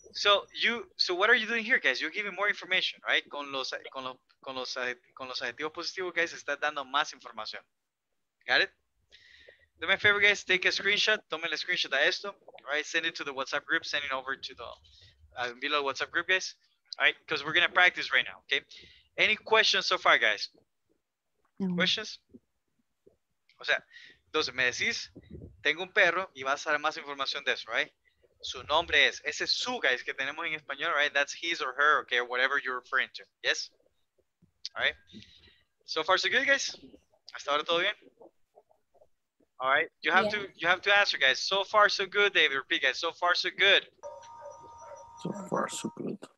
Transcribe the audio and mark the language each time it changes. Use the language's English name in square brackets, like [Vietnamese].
[English] So what are you doing here, guys? You're giving more information, right? [Spanish] Con los adjetivos positivos, guys, está dando más información. [English] Got it? Do me a favor, guys. Take a screenshot. [Spanish] Tome el screenshot de esto, [English] right? Send it to the WhatsApp group. Send it over to the below WhatsApp group, guys. All right? Because we're gonna practice right now. Okay? Any questions so far, guys? No. Questions? [Spanish] O sea, entonces me decís, tengo un perro y vas a dar más información de eso, right? Su nombre es, ese es su, guys, que tenemos en español, right? [English] That's his or her, okay, whatever you're referring to, yes? All right, so far so good, guys? [Spanish] Hasta ahora todo bien? [English] All right, you have to answer, guys. So far so good, David, repeat, guys. So far so good. So far so good.